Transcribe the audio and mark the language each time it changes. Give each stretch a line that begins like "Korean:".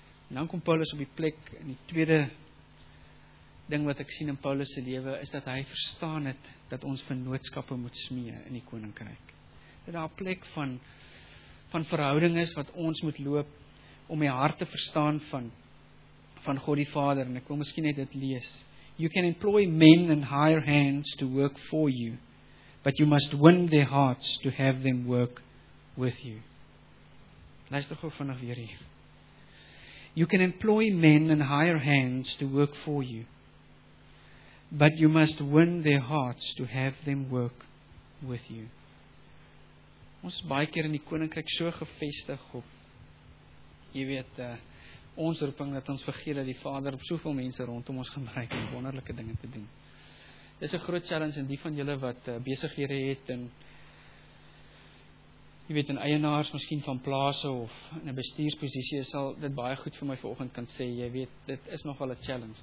Afrikaans: En dan kom Paulus op die plek in die tweede ding wat ek sien in Paulus se lewe is dat hy verstaan het dat ons vennootskappe moet smee in die koninkryk. Dat daar 'n plek van verhouding is wat ons moet loop om die hart te verstaan van God die Vader. En ek wil miskien net dit lees.
English: You can employ men and hire hands to work for you, but you must win their hearts to have them work with you.
Afrikaans: Luister gou vinnig weer hier.
English: You can employ men and hire hands to work for you, but you must win their hearts to have them work with you.
Afrikaans: Ons is baie keer in die koninkryk so gevestig op, jy weet, ons roeping dat ons vergeet dat die Vader op soveel mense rondom ons gebruik om wonderlike dinge te doen. Dis 'n groot challenge in die van julle wat besighede het en jy weet, in eienaars miskien van plase of in 'n bestuursposisie, sal dit baie goed vir my vanoggend kan sê, jy weet, dit is nogal 'n challenge.